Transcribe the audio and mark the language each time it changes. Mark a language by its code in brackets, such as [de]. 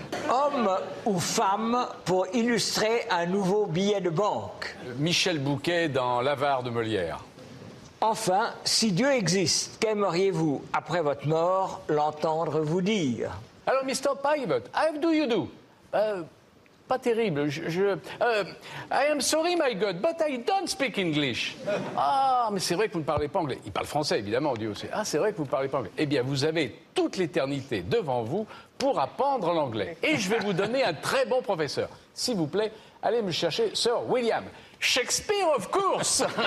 [fr] Homme ou femme pour illustrer un nouveau billet de banque? Michel Bouquet dans L'avare de Molière. Enfin, si Dieu existe, qu'aimeriez-vous, après votre mort, l'entendre vous dire? [en] Alors, Mr. Pivot, how do you do? [fr] Pas terrible, [en] I am sorry, my God, but I don't speak English. [fr] Ah, mais c'est vrai que vous ne parlez pas anglais. Il parle français, évidemment, Dieu aussi. Ah, c'est vrai que vous ne parlez pas anglais. Eh bien, vous avez toute l'éternité devant vous pour apprendre l'anglais. Et je vais vous donner un très bon professeur. S'il vous plaît, allez me chercher Sir William. [en] Shakespeare, of course.